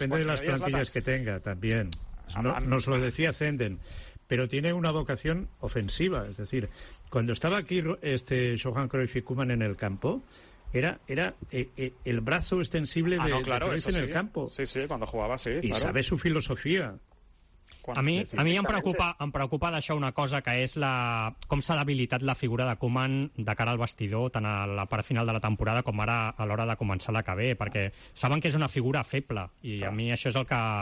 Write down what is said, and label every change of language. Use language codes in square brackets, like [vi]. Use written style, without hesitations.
[ca] Depèn de les plantilles que tenga, també. [es] Nos lo decía Zenden, pero tiene una vocación ofensiva. Es decir, cuando estaba aquí este Johan Cruyff y Koeman en el campo, era el brazo extensible de Cruyff en el campo. Sí, sí, cuando jugaba, sí. Y sabe su filosofía. [ca] A mi em preocupa d'això una cosa, que és com s'ha debilitat la figura de Koeman de cara al vestidor, tant a la part final de la temporada com ara a l'hora de començar la que ve, perquè saben que és una figura feble, i a mi això és el que...